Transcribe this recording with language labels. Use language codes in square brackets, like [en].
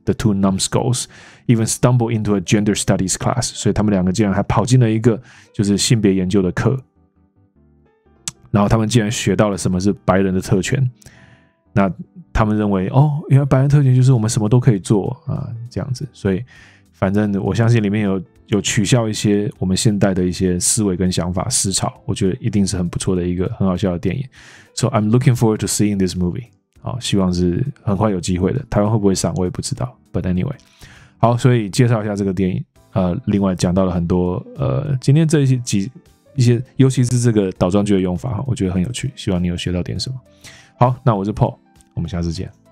[en] the two numbskulls even stumble into a gender studies class， [zh] 所以他们两个竟然还跑进了一个就是性别研究的课，然后他们竟然学到了什么是白人的特权。那他们认为，哦，原来白人特权就是我们什么都可以做啊，这样子。所以反正我相信里面有取笑一些我们现代的一些思维跟想法思潮，我觉得一定是很不错的一个很好笑的电影。 [en] So I'm looking forward to seeing this movie。 [zh] 好，希望是很快有机会的，台湾会不会上我也不知道， [en] but anyway。 [zh] 好，所以介绍一下这个电影，另外讲到了很多，今天这一些尤其是这个倒装句的用法，我觉得很有趣，希望你有学到点什么。好，那我是 Paul，我们下次见。